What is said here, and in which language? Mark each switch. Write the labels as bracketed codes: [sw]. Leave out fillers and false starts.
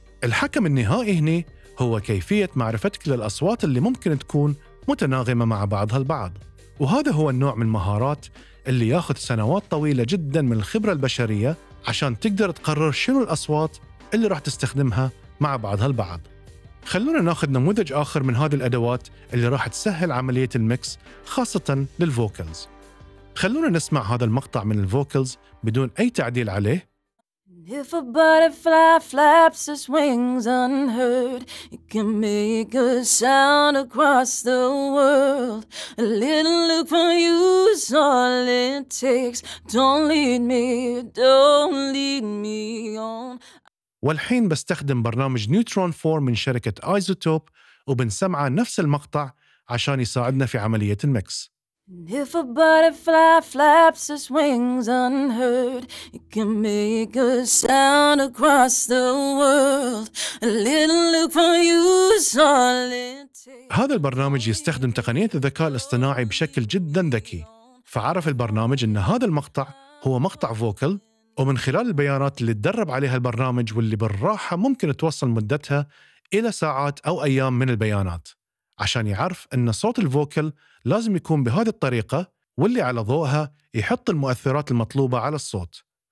[ar] الحكم النهائي هنا هو كيفية معرفتك للأصوات اللي ممكن تكون متناغمة مع بعضها البعض، وهذا هو النوع من المهارات اللي ياخذ سنوات طويلة جداً من الخبرة البشرية عشان تقدر تقرر شنو الأصوات اللي راح تستخدمها مع بعضها البعض. خلونا ناخذ نموذج آخر من هذه الأدوات اللي راح تسهل عملية الميكس خاصة للفوكلز. خلونا نسمع هذا المقطع من الفوكلز بدون أي تعديل عليه. [en] If a butterfly flaps its wings unheard, it can make a sound across the world. A little look from you is all it takes. Don't lead me, don't lead me on. [ar] والحين بستخدم برنامج نيوترون 4 من شركة آيزوتوب وبنسمع نفس المقطع عشان يساعدنا في عملية الميكس. [en] If a butterfly flaps its wings unheard, it can make a sound across the world. A little look from you is all it takes. [ar] هذا البرنامج يستخدم تقنية الذكاء الاصطناعي بشكل جدا ذكي، فعرف البرنامج أن هذا المقطع هو مقطع فوكل، ومن خلال البيانات اللي تدرب عليها البرنامج واللي بالراحة ممكن توصل مدتها إلى ساعات أو أيام من البيانات، عشان يعرف أن صوت الفوكل لازم يكون بهذه الطريقة واللي على ضوءها يحط المؤثرات المطلوبة على الصوت.